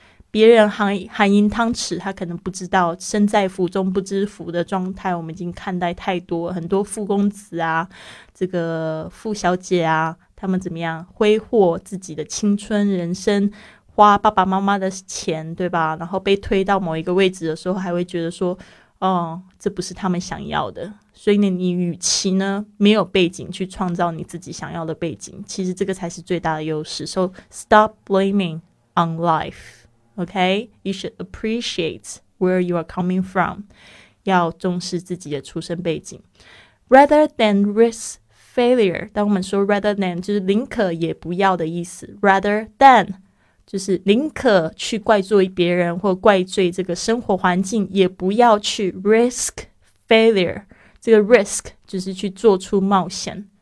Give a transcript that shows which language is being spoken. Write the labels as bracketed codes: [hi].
[zh] 别人含银汤匙他可能不知道，身在福中不知福的状态我们已经看待太多，很多富公子啊这个富小姐啊，他们怎么样挥霍自己的青春人生，花爸爸妈妈的钱，对吧？然后被推到某一个位置的时候还会觉得说哦，这不是他们想要的。所以呢你与其呢没有背景去创造你自己想要的背景，其实这个才是最大的优势。 [en] So stop blaming on life， OK， you should appreciate where you are coming from，要重视自己的出生背景。 [zh] Rather than risk failure，当我们说 rather than 就是宁可也不要的意思， rather than 就是宁可去怪罪别人或怪罪这个生活环境，也不要去 risk failure。 这个 risk 就是去做出冒险，